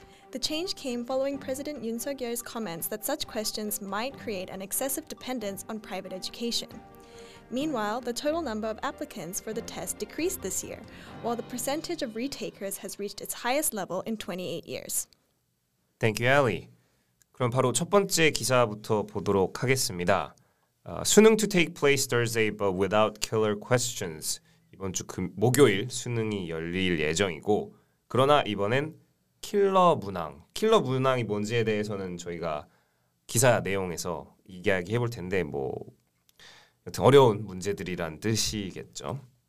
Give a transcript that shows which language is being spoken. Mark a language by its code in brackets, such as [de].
[en] The change came following President Yoon Suk-yeol's comments that such questions might create an excessive dependence on private education. Meanwhile, the total number of applicants for the test decreased this year, while the percentage of retakers has reached its highest level in 28 years. Thank you, Ali. [ko] 그럼 바로 첫 번째 기사부터 보도록 하겠습니다. [en] 수능 to take place Thursday, but without killer questions. [ko] 이번 주 목요일 수능이 열릴 예정이고, 그러나 이번엔 킬러 문항. 킬러 문항이 뭔지에 대해서는 저희가 기사 내용에서 이야기 해볼 텐데, 뭐, 여튼 어려운 문제들이란 뜻이겠죠.